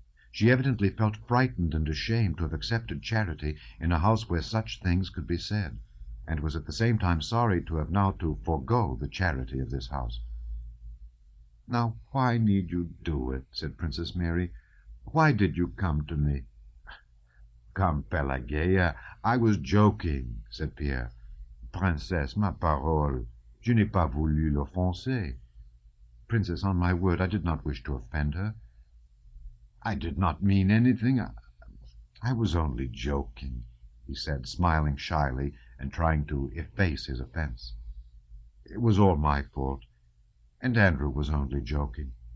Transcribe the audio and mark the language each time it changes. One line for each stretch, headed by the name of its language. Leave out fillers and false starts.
English: She evidently felt frightened and ashamed to have accepted charity in a house where such things could be said, and was at the same time sorry to have now to forego the charity of this house. Now, why need you do it? Said Princess Mary. Why did you come to me? Come, Pelagea, I was joking, said Pierre.
French: Princesse, ma parole, je n'ai pas voulu l'offenser.
English: Princess, on my word, I did not wish to offend her. I did not mean anything. I was only joking, he said, smiling shyly, and trying to efface his offense. It was all my fault, and Andrew was only joking.